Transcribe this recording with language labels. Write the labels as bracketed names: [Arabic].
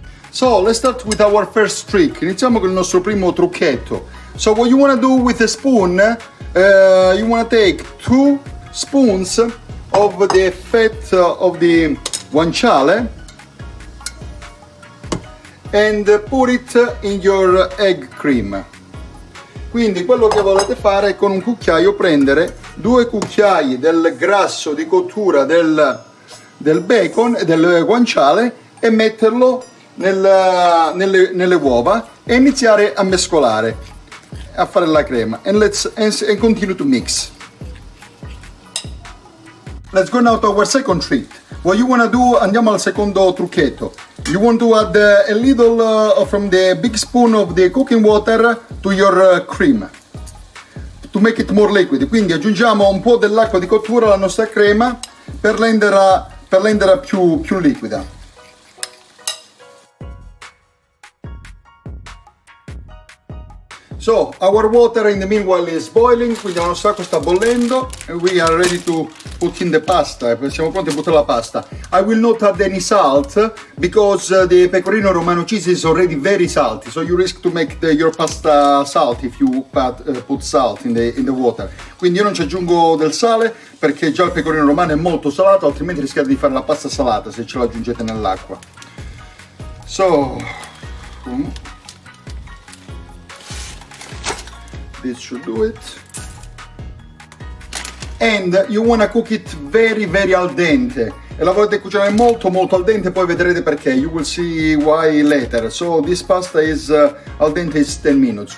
[English] So let's start with our first trick. [Italian] Iniziamo con il nostro primo trucchetto. [English] So what you want to do with a spoon, you want to take two spoons of the fat of the guanciale and put it in your egg cream. [Italian] Quindi quello che volete fare è con un cucchiaio prendere due cucchiai del grasso di cottura del bacon e del guanciale e metterlo nelle uova e iniziare a mescolare, a fare la crema, [English] and continue to mix. Let's go now to our second treat. What you wanna do, [Italian] andiamo al secondo trucchetto. [English] You want to add a little from the big spoon of the cooking water to your cream to make it more liquid. [Italian] Quindi aggiungiamo un po' dell'acqua di cottura alla nostra crema per renderla più liquida. [English] So, our water in the meanwhile is boiling, [Italian] quindi la nostra acqua sta bollendo [English] and we are ready to put in the pasta, [Italian] siamo pronti a buttare la pasta. [English] I will not add any salt because the pecorino romano cheese is already very salty, so you risk to make your pasta salt if you put salt in the water. [Italian] Quindi io non ci aggiungo del sale perché già il pecorino romano è molto salato, altrimenti rischiate di fare la pasta salata se ce l'aggiungete nell'acqua. [English] So, this should do it. And you wanna cook it very very al dente. [Italian] E la volete cucinare molto molto al dente, poi vedrete perché. [English] You will see why later. So this pasta is al dente is 10 minutes.